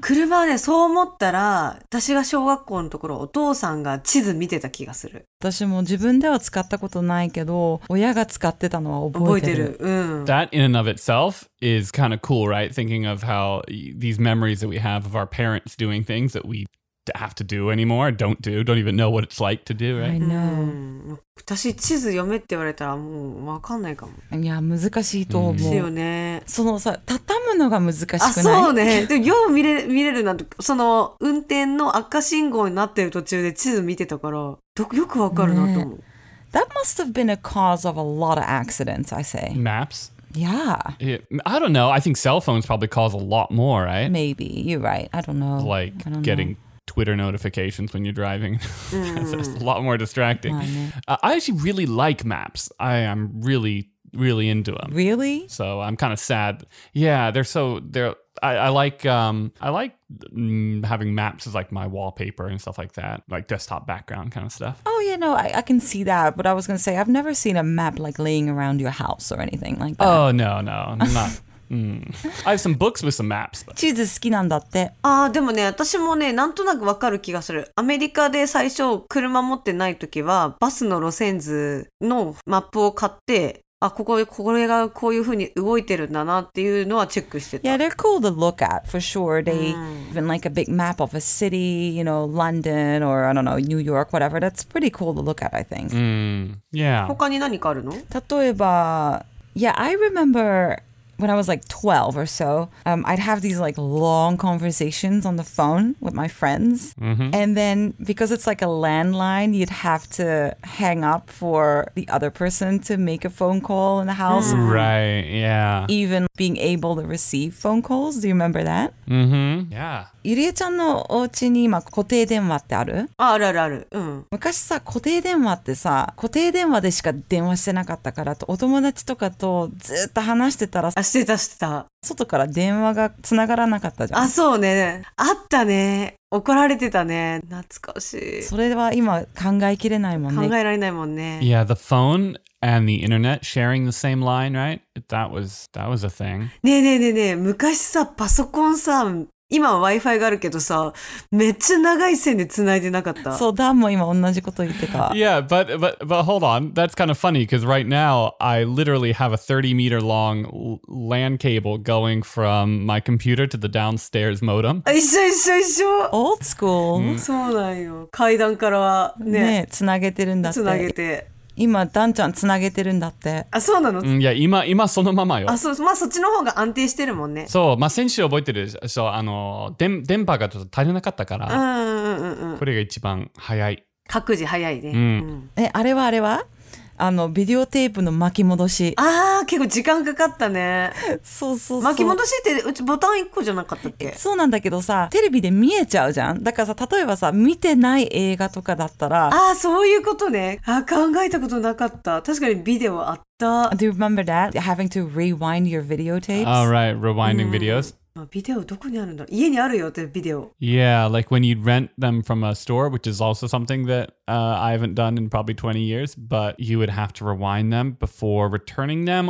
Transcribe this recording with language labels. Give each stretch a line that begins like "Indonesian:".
Japanese: 車はね、そう思ったら、私が小学校のところ、お父さんが地図見てた気がする。私も自分では使ったことないけど、親が使ってたのは覚えてる。うん。
English: That in and of itself is kind of cool, right? Thinking of how these memories that we have of our parents doing things that we have to do anymore, don't even know what it's like to do, right? I know.
Japanese: 私地図読めって言われたらもう分かんないかも。いや、難しいと思う。ですよね。そのさ、畳むのが難しくない？あ、そうね。でもよう見れるなんて、その運転の赤信号になってる途中で地図見てたから、よく分かるなと思う。ね、
English: That must have been a cause of a lot of accidents, I say. Maps? Yeah. I don't know. I think cell phones probably cause a lot more, right? Maybe. You're right. I don't know. Like don't getting know. Twitter notifications when you're driving. That's a lot more distracting. I actually really like maps. I am really, really into them. Really? So I'm kind of sad. Yeah, they're so... I like having maps as like my wallpaper and stuff like that, like desktop background kind of stuff. Oh, yeah, no, I can see that. But I was going to say, I've never seen a map like laying around your house or anything like that. Oh, no, not. I have some books with some maps.
Japanese: 地図好きなんだって。ああ、でもね、私もね、なんとなくわかる気がする。アメリカで最初車持ってない時はバスの路線図のマップを買って、あ、これがこういうふうに動いてるんだなっていうのはチェックしてた。
English: Yeah, they're cool to look at, for sure. They even like a big map of a city, you know, London or, I don't know, New York, whatever. That's pretty cool to look at, I think. Yeah.
Japanese: 他に何かあるの？例えば、
English: Yeah, I remember when I was like 12 or so, I'd have these like long conversations on the phone with my friends. Mm-hmm. And then because it's like a landline, you'd have to hang up for the other person to make a phone call in the house. Right, yeah. Even being able to receive phone calls. Do you remember that? Mm-hmm. Yeah.
Japanese: ゆりえちゃんのお家に今固定電話ってある？あ、あるあるある、うん、昔さ固定電話ってさ固定電話でしか電話してなかったからとお友達とかとずっと話してたらあ、してた外から電話がつながらなかったじゃん。あ、そうね、あったね、怒られてたね、懐かしい。それは今考えきれないもんね。考えられないもんね。
English: Yeah, the phone and the internet sharing the same line, right? That was a thing.
Japanese: ねえ昔さパソコンさ今は Wi-Fi があるけどさ、めっちゃ長い線で繋いでなかった。そう、ダンも今同じこと言ってた。
English: Yeah, but hold on. That's kind of funny because right now I literally have a 30 meter long LAN cable going from my computer to the downstairs modem.
Japanese: 一緒。
English: Old school.
Japanese: そうなんよ。階段からはね。ね、繋げてるんだって。繋げて。今ダンちゃんつなげてるんだって。あ、そうなの？いや、今そのままよ。あ、そう、まあそっちの方が安定してるもんね。そう、まあ先週覚えてるでしょ、あの電波がちょっと足りなかったから、これが一番早い、各自早いね、うん、え、あれはあのビデオテープの巻き戻し。ああ、結構時間かかったね。そう巻き戻しってうちボタン1個じゃなかったっけ。そうなんだけどさ、テレビで見えちゃうじゃん。だからさ、例えばさ見てない映画とかだったら。ああ、そういうことね。あ、考えたことなかった。確かにビデオあった。
English: Do you remember that? Having to rewind your videotapes? All right, rewinding videos、
Japanese: ビデオどこにあるんだろう。家にあるよってビデオ。
English: Yeah, like when you'd rent them from a store, which is also something thatI haven't done in probably 20 years, but you would have to rewind them before returning them.